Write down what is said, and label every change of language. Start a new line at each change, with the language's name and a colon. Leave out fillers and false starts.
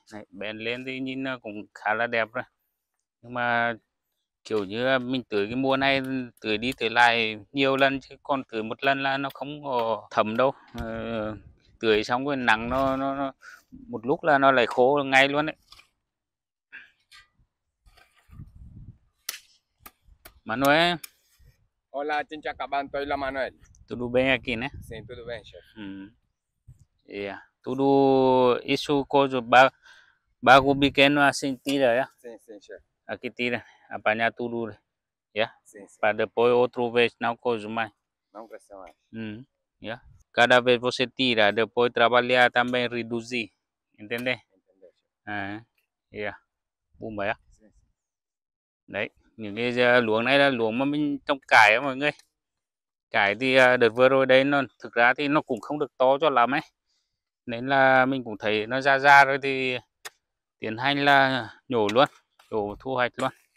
Vietnamese: Này, bén lên thì nhìn nó cũng khá là đẹp rồi. Nhưng mà kiểu như là mình tưới cái mùa này tưới đi tưới lại nhiều lần chứ còn tưới một lần là nó không thấm đâu. Tưới xong rồi nắng nó một lúc là nó lại khô ngay luôn đấy. Manuel. Hola, xin chào các bạn, tôi là Manuel.
Portuguese: Tudo bem aqui, né? Sim, tudo bem, chefe. Tudo isso coisa bagulho pequeno assim tira, já? Sim, sim, chefe. Aqui tira. Apanhar tudo, né?
English: Yeah?
Portuguese: Sim, sim. Para depois outra vez não coisa mais. Não cresce mais.
English: Yeah?
Portuguese: Cada vez você tira, depois trabalhar também, reduzir. Entendeu? Entendeu, chefe. Bumba, já? Sim, sim.
Vietnamese: Daí, những cái luống này là luống mà mình trồng cải á mọi người. Cải thì đợt vừa rồi đấy, nó thực ra thì nó cũng không được to cho lắm ấy. Nên là mình cũng thấy nó ra ra rồi thì tiến hành là nhổ luôn, nhổ thu hoạch luôn.